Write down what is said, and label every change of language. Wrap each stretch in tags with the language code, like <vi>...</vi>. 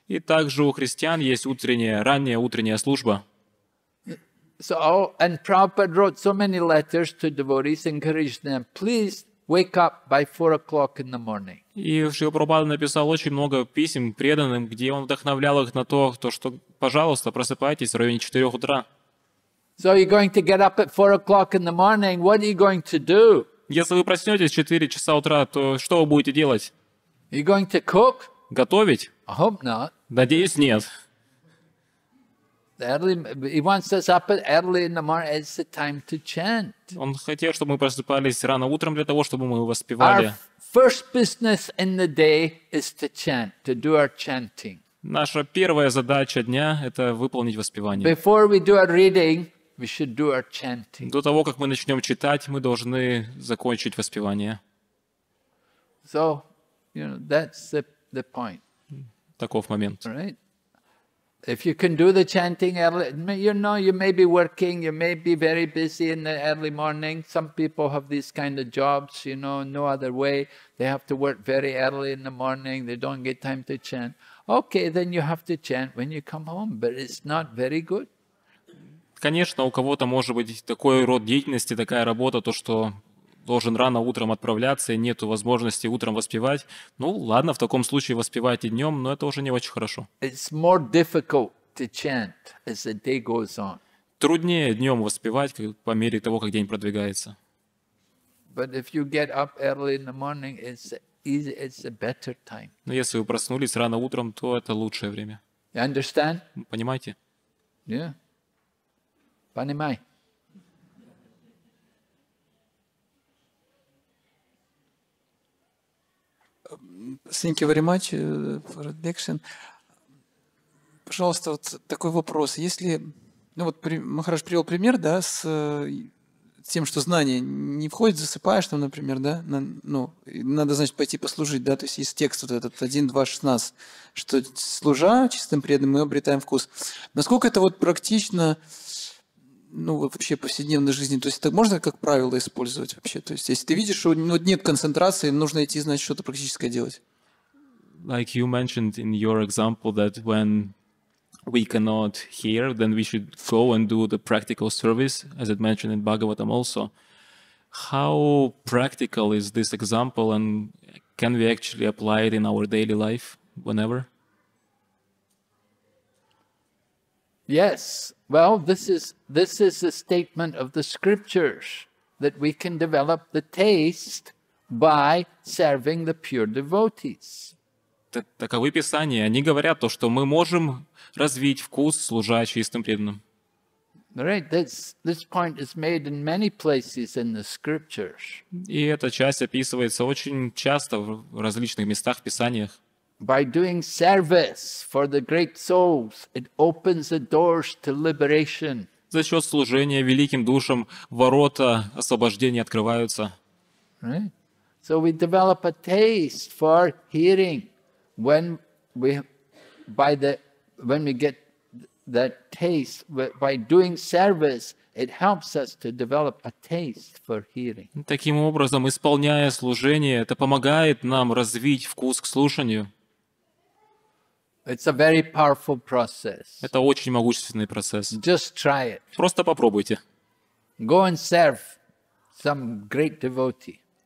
<ru>И также у христиан есть ранняя утренняя служба.</ru> <en>And Prabhupada wrote so many letters to devotees, encouraged them, please. Wake up by 4 o'clock in the morning.</en> <ru>И Шрила Прабхупада написал очень много писем преданным, где он вдохновлял их на то, что, пожалуйста, просыпайтесь в районе 4 утра.</ru> <en>So you're going to get up at 4 o'clock in the morning. What are you going to do?</en> <ru>Если вы проснетесь в 4 часа утра, то что вы будете делать?</ru> <en>You're going to cook?</en> <ru>Готовить?</ru> <en>I hope not.</en> <ru>Надеюсь, нет.</ru> <en>Early, he wants us up early in the morning. It's the time to chant.</en> <ru>Он хотел, чтобы мы просыпались рано утром для того, чтобы мы воспевали.</ru> <en>Our first business in the day is to chant, to do our chanting.</en> <ru>Наша первая задача дня – это выполнить воспевание.</ru> <en>Before we do our reading, we should do our chanting.</en> <ru>До того, как мы начнем читать, мы должны закончить воспевание.</ru> <en>So, you know, that's the point.</en> <ru>Таков момент.</ru> <en>Right? If you can do the chanting early, you know, you may be working, you may be very busy in the early morning. Some people have these kind of jobs, you know, no other way. They have to work very early in the morning. They don't get time to chant. Okay, then you have to chant when you come home, but it's not very good.</en> <ru>Конечно, у кого-то может быть такой род деятельности, такая работа, то, что должен рано утром отправляться, и нету возможности утром воспевать. Ну, ладно, в таком случае воспевайте днем, но это уже не очень хорошо.</ru> <en>It's more difficult to chant as the day goes on.</en> <ru>Труднее днем воспевать, по мере того, как день продвигается.</ru> <en>But if you get up early in the morning, it's a better time.</en> <ru>Но если вы проснулись рано утром, то это лучшее время.</ru> <en>You understand?</en> <ru>Понимаете?</ru> <en>Yeah.</en> <ru>Понимай.</ru> <en>Thank you very much for introduction.</en> <ru>Пожалуйста, вот такой вопрос. Если, ну вот Махарадж привел пример, да, с тем, что знание не входит, засыпаешь там, например, да, на, ну, надо, значит, пойти послужить, да, то есть есть текст вот этот 1.2.16, что служа чистым преданным, мы обретаем вкус. Насколько это вот практично, ну, вообще в повседневной жизни, то есть это можно как правило использовать вообще? То есть если ты видишь, что ну, нет концентрации, нужно идти, значит, что-то практическое делать.</ru> <en>Like you mentioned in your example that when we cannot hear, then we should go and do the practical service, as it mentioned in Bhagavatam also. How practical is this example, and can we actually apply it in our daily life, whenever? Yes. Well, this is a statement of the scriptures, that we can develop the taste by serving the pure devotees.</en> <ru>Таковы писания. Они говорят то, что мы можем развить вкус, служа чистым преданным.</ru> <en>Right, this point is made in many places in the scriptures.</en> <ru>И эта часть описывается очень часто в различных местах в писаниях.</ru> <en>By doing service for the great souls, it opens the doors to liberation.</en> <ru>За счет служения великим душам ворота освобождения открываются.</ru> <en>Right, so we develop a taste for hearing. When we get that taste by doing service, it helps us to develop a taste for hearing.</en> <ru>Таким образом, исполняя служение, это помогает нам развить вкус к слушанию.</ru> <en>It's a very powerful process.</en> <ru>Это очень могущественный процесс.</ru> <en>Just try it.</en> <ru>Просто попробуйте.</ru> <en>Go and serve some great devotee.</en>